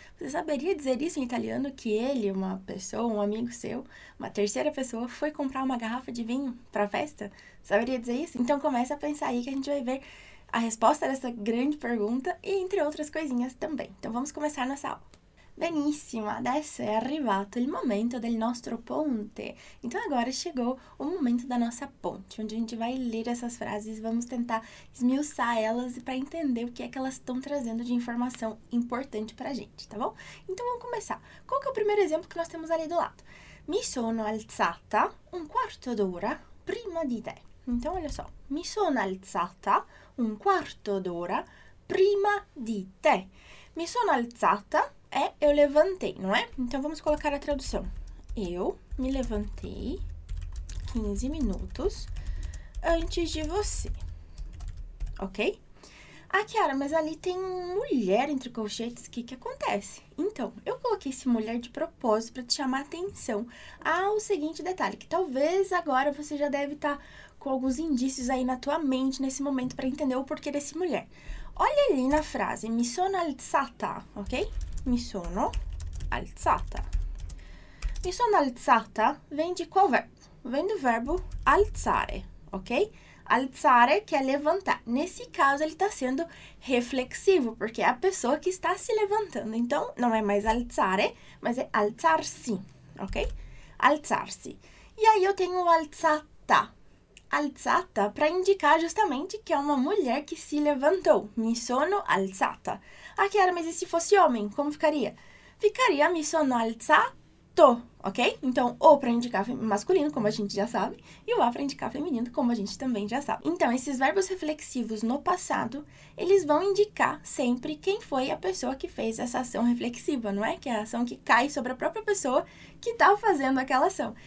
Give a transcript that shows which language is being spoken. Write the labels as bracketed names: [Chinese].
[Portuguese] Você saberia dizer isso em italiano, que ele, uma pessoa, um amigo seu, uma terceira pessoa, foi comprar uma garrafa de vinho pra festa? Saberia dizer isso? Então começa a pensar aí que a gente vai ver a resposta dessa grande pergunta e entre outras coisinhas também. Então vamos começar nossa aula. [Italian] Benissimo, adesso è arrivato il momento del nostro ponte. [Portuguese] Então agora chegou o momento da nossa ponte, onde a gente vai ler essas frases, vamos tentar esmiuçar elas para entender o que é que elas estão trazendo de informação importante para a gente, tá bom? Então vamos começar. Qual que é o primeiro exemplo que nós temos ali do lado? [Italian] Mi sono alzata un quarto d'ora prima di te. [Portuguese] Então olha só, [Italian] mi sono alzata un quarto d'ora prima di te. Mi sono alzata [Portuguese] é eu levantei, não é? Então vamos colocar a tradução. Eu me levantei 15 minutos antes de você. Ok? Ah, Chiara, mas ali tem mulher entre colchetes, o que que acontece? Então, eu coloquei esse mulher de propósito para te chamar a atenção ao seguinte detalhe, que talvez agora você já deve estar com alguns indícios aí na tua mente nesse momento para entender o porquê desse mulher. Olha ali na frase, [Italian] mi sono alzata, ok? Mi sono alzata. Mi sono alzata [Portuguese] vem de qual verbo? Vem do verbo alzare, ok? Alzare, que é levantar. Nesse caso, ele está sendo reflexivo, porque é a pessoa que está se levantando. Então, não é mais alzare, mas é alzarsi, ok? Alzarsi. E aí, eu tenho alzata. Alzata para indicar justamente que é uma mulher que se levantou. [Italian] Mi sono alzata. [Portuguese] Ah, Chiara, mas e se fosse homem, como ficaria? Ficaria [Italian] mi sono alzato, ok? [Portuguese] Então, o para indicar masculino, como a gente já sabe, e o a para indicar feminino, como a gente também já sabe. Então, esses verbos reflexivos no passado, eles vão indicar sempre quem foi a pessoa que fez essa ação reflexiva, não é? Que é a ação que cai sobre a própria pessoa que está fazendo aquela ação.